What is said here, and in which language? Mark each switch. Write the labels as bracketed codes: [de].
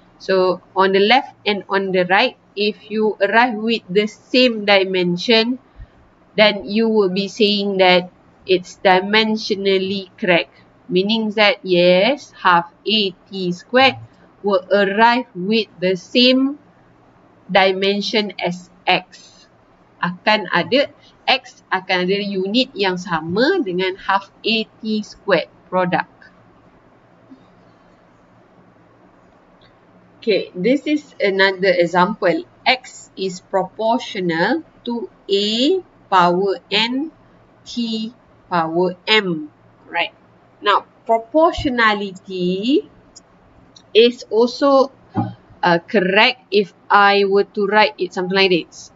[en] So on the left and on the right, if you arrive with the same dimension, then you will be saying that it's dimensionally correct. Meaning that yes, half AT squared will arrive with the same dimension as X. [ms] Akan ada X akan ada unit yang sama dengan half AT squared product. [en] Okay, this is another example. X is proportional to A power N T power M. Right. Now, proportionality is also correct if I were to write it something like this.